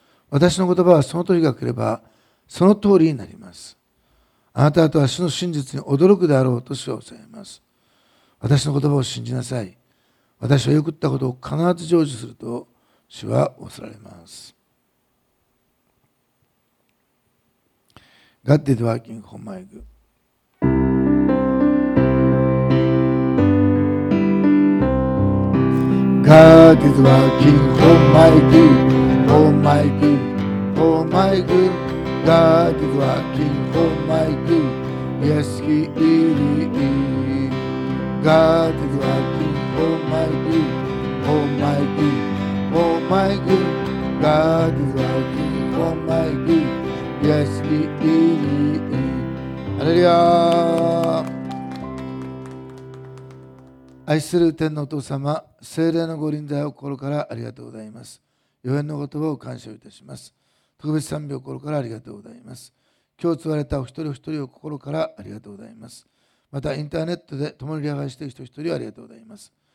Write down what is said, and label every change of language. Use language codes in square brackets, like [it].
[ja] 私の言葉はその時が来ればその通りになります。あなた方は主の真実に驚くであろうと主は仰されます。私の言葉を信じなさい。私は言ったことを必ず成就すると主は仰られます。 [en] God is working for my good。 God is working for my good, for my good, for my good. God is working for my good, yes He is. God is working for my good, for my good, for my good. God is working for my good, yes He is. Hallelujah. [ja] 愛する天のお父様、聖霊のご臨在を心からありがとうございます。予言の言葉を感謝いたします。特別賛美を心からありがとうございます。今日集われたお一人お一人を心からありがとうございます。またインターネットで共に礼拝している人一人をありがとうございます。